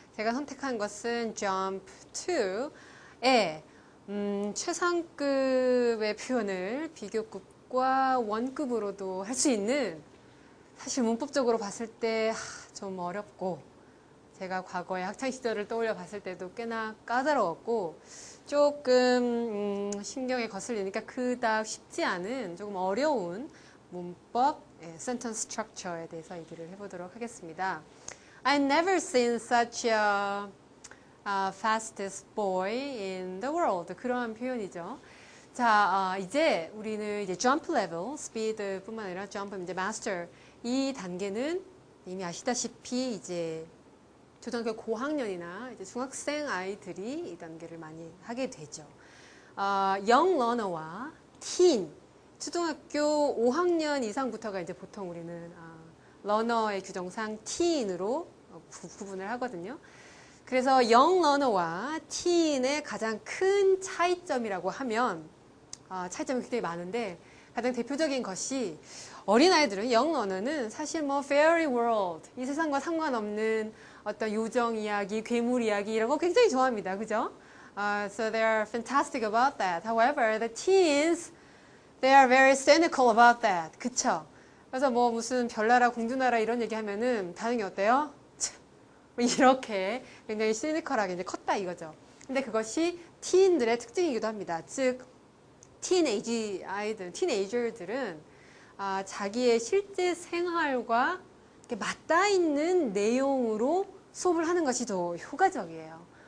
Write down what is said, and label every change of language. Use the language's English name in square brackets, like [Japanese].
[Korean] 제가 선택한 것은 jump 2의 최상급의 표현을 비교급과 원급으로도 할 수 있는 사실 문법적으로 봤을 때 좀 어렵고 제가 과거의 학창시절을 떠올려 봤을 때도 꽤나 까다로웠고 조금 신경에 거슬리니까 그닥 쉽지 않은 조금 어려운 문법 sentence structure에 대해서 얘기를 해보도록 하겠습니다. [English] I never seen such a fastest boy in the world. [Korean] 그러한 표현이죠. 자, 이제 우리는 이제 jump level, speed뿐만 아니라 jump, 이제 master 이 단계는 이미 아시다시피 이제 초등학교 고학년이나 이제 중학생 아이들이 이 단계를 많이 하게 되죠. Young learner와 teen, 초등학교 5학년 이상부터가 이제 보통 우리는 learner의 규정상 teen으로 구분을 하거든요. 그래서 young learner와 teen의 가장 큰 차이점이라고 하면 차이점이 굉장히 많은데 가장 대표적인 것이 어린아이들은 young learner는 사실 뭐 fairy world, 이 세상과 상관없는 어떤 요정 이야기, 괴물 이야기 이런 거 굉장히 좋아합니다. 그죠? [English] So they are fantastic about that. However, the teens, they are very cynical about that. [Korean] 그쵸? 그래서 뭐 무슨 별나라, 공주나라 이런 얘기 하면은 반응이 어때요? 이렇게 굉장히 cynical하게 이제 컸다 이거죠. 근데 그것이 teen들의 특징이기도 합니다. 즉, teenage 아이들, teenager들은 자기의 실제 생활과 맞닿아 있는 내용으로 수업을 하는 것이 더 효과적이에요.